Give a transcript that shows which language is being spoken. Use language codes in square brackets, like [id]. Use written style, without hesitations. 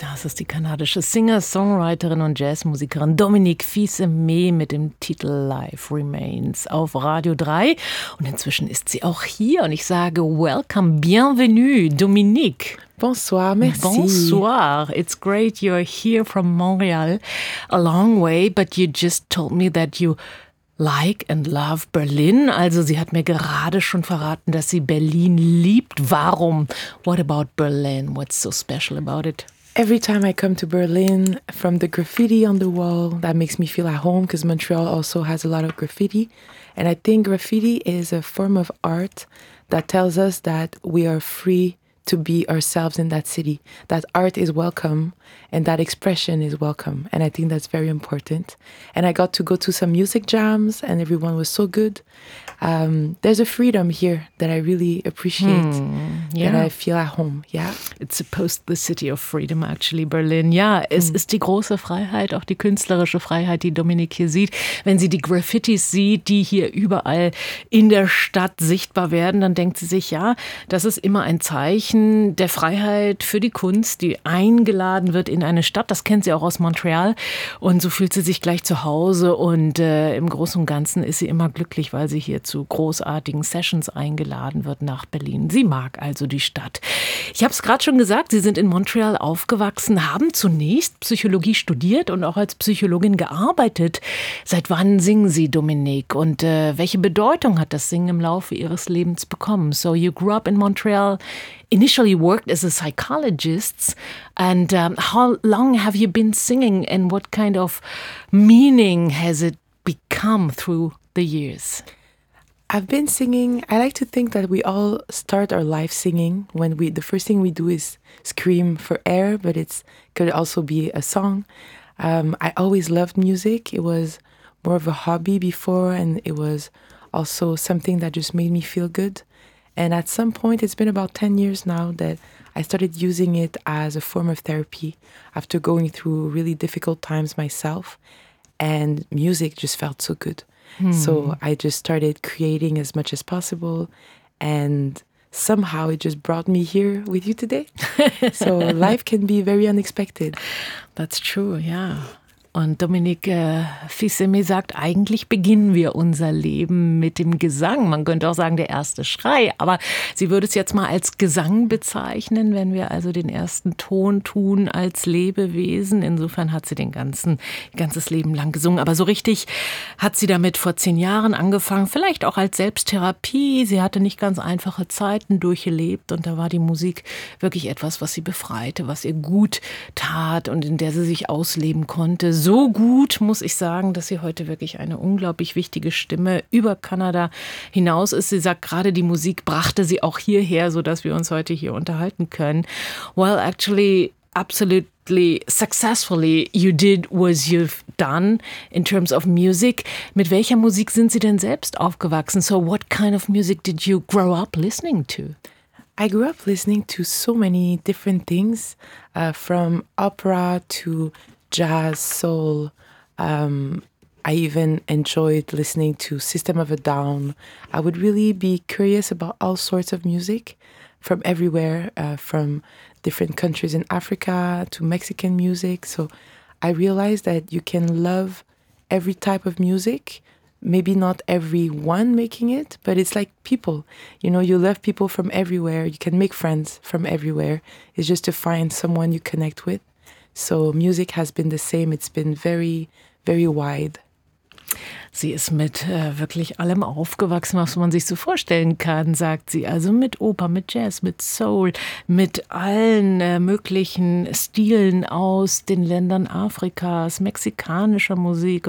[de] Das ist die kanadische Singer-Songwriterin und Jazzmusikerin Dominique Fils-Aimée mit dem Titel Life Remains auf Radio 3. Und inzwischen ist sie auch hier und ich sage [en] welcome, [fr] bienvenue, [de] Dominique. [fr] Bonsoir, merci. Bonsoir. [en] It's great you're here from Montreal, a long way, but you just told me that you like and love Berlin. [de] Also sie hat mir gerade schon verraten, dass sie Berlin liebt. Warum? [en] What about Berlin? What's so special about it? Every time I come to Berlin, from the graffiti on the wall, that makes me feel at home because Montreal also has a lot of graffiti. And I think graffiti is a form of art that tells us that we are free to be ourselves in that city. That art is welcome and that expression is welcome. And I think that's very important. And I got to go to some music jams and everyone was so good. There's a freedom here that I really appreciate. Yeah. That I feel at home, yeah. It's supposed the city of freedom, actually, Berlin. [de] Ja, es ist die große Freiheit, auch die künstlerische Freiheit, die Dominique hier sieht. Wenn sie die Graffitis sieht, die hier überall in der Stadt sichtbar werden, dann denkt sie sich, ja, das ist immer ein Zeichen der Freiheit für die Kunst, die eingeladen wird in eine Stadt. Das kennt sie auch aus Montreal. Und so fühlt sie sich gleich zu Hause. Und im Großen und Ganzen ist sie immer glücklich, weil sie hier zu großartigen Sessions eingeladen wird nach Berlin. Sie mag also die Stadt. Ich habe es gerade schon gesagt, Sie sind in Montreal aufgewachsen, haben zunächst Psychologie studiert und auch als Psychologin gearbeitet. Seit wann singen Sie, Dominique? Und welche Bedeutung hat das Singen im Laufe Ihres Lebens bekommen? [en] So you grew up in Montreal, initially worked as a psychologist. And how long have you been singing and what kind of meaning has it become through the years? I've been singing. I like to think that we all start our life singing. When we, the first thing we do is scream for air, but it could also be a song. I always loved music. It was more of a hobby before, and it was also something that just made me feel good. And at some point, it's been about 10 years now that I started using it as a form of therapy after going through really difficult times myself, and music just felt so good. So I just started creating as much as possible and somehow it just brought me here with you today. So life can be very unexpected. That's true, yeah. [de] Und Dominique Fils-Aimée sagt, eigentlich beginnen wir unser Leben mit dem Gesang. Man könnte auch sagen, der erste Schrei. Aber sie würde es jetzt mal als Gesang bezeichnen, wenn wir also den ersten Ton tun als Lebewesen. Insofern hat sie den ganzen, ganzes Leben lang gesungen. Aber so richtig hat sie damit vor 10 Jahren angefangen. Vielleicht auch als Selbsttherapie. Sie hatte nicht ganz einfache Zeiten durchlebt. Und da war die Musik wirklich etwas, was sie befreite, was ihr gut tat und in der sie sich ausleben konnte. So gut, muss ich sagen, dass sie heute wirklich eine unglaublich wichtige Stimme über Kanada hinaus ist. Sie sagt, gerade die Musik brachte sie auch hierher, sodass wir uns heute hier unterhalten können. [en] Well, actually, absolutely successfully, you did what you've done in terms of music. [de] Mit welcher Musik sind Sie denn selbst aufgewachsen? [en] So what kind of music did you grow up listening to? I grew up listening to so many different things, from opera to jazz, soul. I even enjoyed listening to System of a Down. I would really be curious about all sorts of music from everywhere, from different countries in Africa to Mexican music. So I realized that you can love every type of music, maybe not everyone making it, but it's like people. You know, you love people from everywhere. You can make friends from everywhere. It's just to find someone you connect with. So music has been the same. It's been very, very wide. [de] Sie ist mit wirklich allem aufgewachsen, was man sich so vorstellen kann, sagt sie. Also mit Oper, mit Jazz, mit Soul, mit allen möglichen Stilen aus den Ländern Afrikas, mexikanischer Musik.